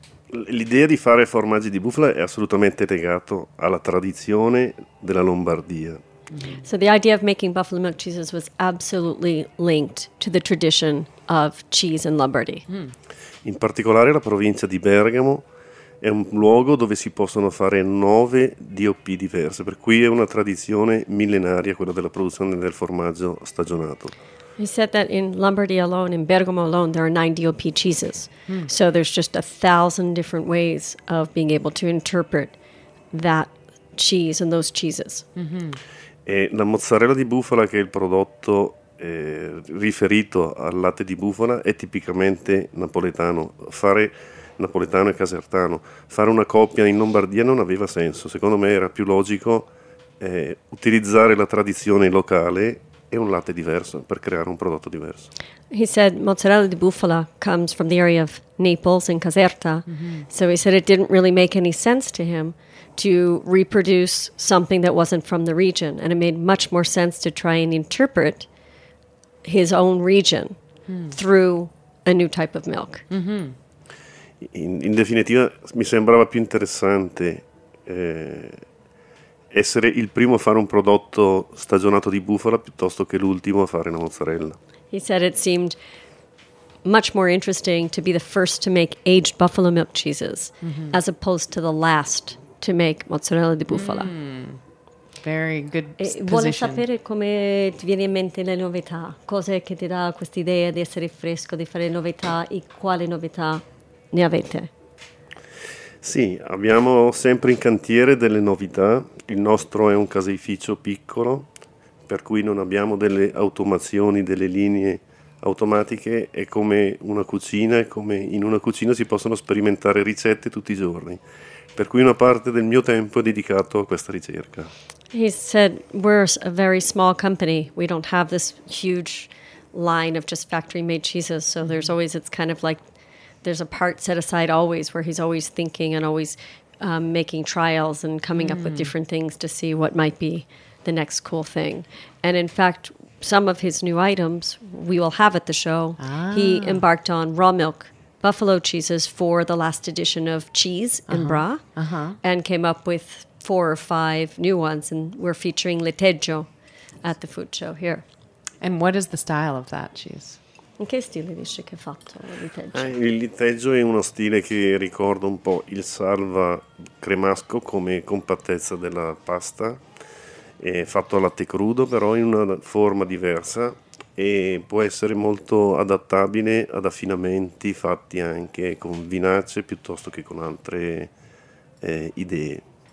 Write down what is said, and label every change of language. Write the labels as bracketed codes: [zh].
[it] L'idea di fare formaggi di bufala è assolutamente legato alla tradizione della Lombardia. [en] So the idea of making buffalo milk cheeses was absolutely linked to the tradition of cheese in Lombardy. [it] In particolare la provincia di Bergamo è un luogo dove si possono fare 9 DOP diverse, per cui è una tradizione millenaria quella della produzione del formaggio stagionato. [en] He said that in Lombardy alone, in Bergamo alone, there are 9 DOP cheeses. Mm. So there's just 1,000 different ways of being able to interpret that cheese and those cheeses. Mm-hmm. [it] E la mozzarella di bufala, che è il prodotto riferito al latte di bufala, è tipicamente napoletano. Fare napoletano e casertano, fare una coppia in Lombardia non aveva senso. Secondo me era più logico utilizzare la tradizione locale e un latte diverso per creare un prodotto diverso. [en] He said mozzarella di bufala comes from the area of Naples and Caserta. Mm-hmm. So he said it didn't really make any sense to him to reproduce something that wasn't from the region, and it made much more sense to try and interpret his own region through a new type of milk. Mm-hmm. [it] In definitiva mi sembrava più interessante essere il primo a fare un prodotto stagionato di bufala piuttosto che l'ultimo a fare una mozzarella. [en] He said it seemed much more interesting to be the first to make aged buffalo milk cheeses as opposed to the last to make mozzarella di bufala. Mm. Very good position. [it] Vuole sapere come ti viene in mente le novità, cose che ti dà questa idea di essere fresco, di fare novità, e quali novità ne avete? Sì, abbiamo sempre in cantiere delle novità. Il nostro è un caseificio piccolo, per cui non abbiamo delle automazioni, delle linee automatiche. È come una cucina, è come in una cucina si possono sperimentare ricette tutti i giorni. Per cui una parte del mio tempo è dedicato a questa ricerca. [en] He said, we're a very small company. We don't have this huge line of just factory-made cheeses. So there's always, it's kind of like there's a part set aside always where he's always thinking and always making trials and coming up with different things to see what might be the next cool thing. And in fact, some of his new items we will have at the show. He embarked on raw milk buffalo cheeses for the last edition of Cheese in Bra, and came up with four or five new ones, and we're featuring Leteggio at the food show here. And what is the style of that cheese? [it] In che stile dice che è fatto il Leteggio? Il Leteggio è uno stile che ricorda un po' il salva cremasco come compattezza della pasta. È fatto a latte crudo, però in una forma diversa e può essere molto adattabile ad affinamenti fatti anche con vinace piuttosto che con altre idee.